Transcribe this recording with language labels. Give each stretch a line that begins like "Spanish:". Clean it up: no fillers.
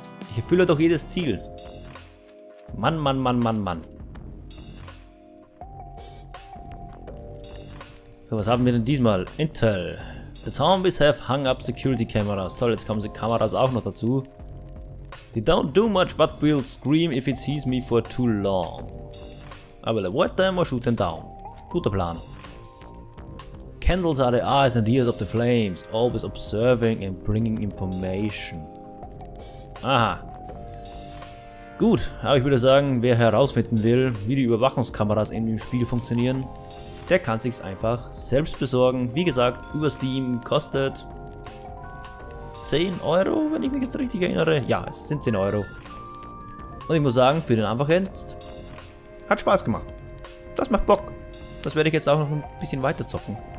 German: Ich erfülle doch jedes Ziel. Mann, Mann, Mann, Mann, Mann. So, was haben wir denn diesmal? Intel.
English: The zombies have hung up security cameras.
German: Toll, jetzt kommen die Kameras auch noch dazu.
English: They don't do much but will scream if it sees me for too long. I will avoid them or shoot them down.
German: Guter Plan.
English: Candles are the eyes and ears of the flames, always observing and bringing information. Aha.
German: Gut, aber ich würde sagen, wer herausfinden will, wie die Überwachungskameras in dem Spiel funktionieren, der kann sich's einfach selbst besorgen. Wie gesagt, über Steam kostet 10 Euro, wenn ich mich jetzt richtig erinnere. Ja, es sind 10 Euro. Und ich muss sagen, für den Anfang hat Spaß gemacht. Das macht Bock. Das werde ich jetzt auch noch ein bisschen weiter zocken.